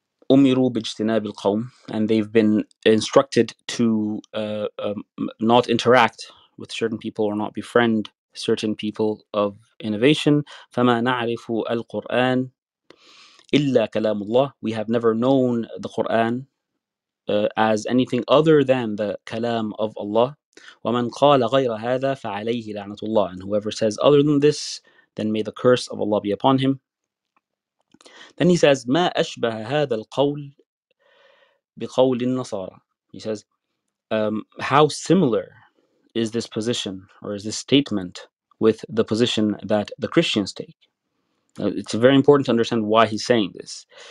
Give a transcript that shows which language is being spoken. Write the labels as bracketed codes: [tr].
[ar] وأمروا باجتناب القوم, [en] and they've been instructed to not interact with certain people or not befriend certain people of innovation. [ar] فما نعرف القرآن إلا كلام الله. [en] We have never known the Quran as anything other than the kalam of Allah. [ar] وَمَنْ قَالَ غَيْرَ هَذَا فَعَلَيْهِ لَعْنَةُ اللَّهِ. [en] And whoever says other than this, then may the curse of Allah be upon him. Then he says, [ar] مَا أَشْبَهَ هَذَا الْقَوْلِ بِقَوْلِ النَّصَارَى. [en] He says, how similar is this position or is this statement with the position that the Christians take? It's very important to understand why he's saying this.